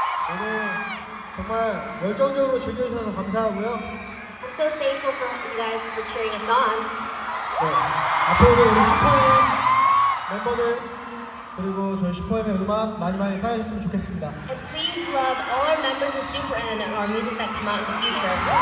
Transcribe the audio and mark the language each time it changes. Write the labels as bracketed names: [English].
[Korean] 오늘 정말 열정적으로 즐겨주셔서 감사하고요. [English] I'm so thankful for you guys for cheering us on. [Korean] 네. 앞으로도 우리 슈퍼맨 멤버들 그리고 저희 슈퍼맨의 음악 많이 많이 사랑해주셨으면 좋겠습니다. [English] And please love all our members of SuperM and our music that come out in the future.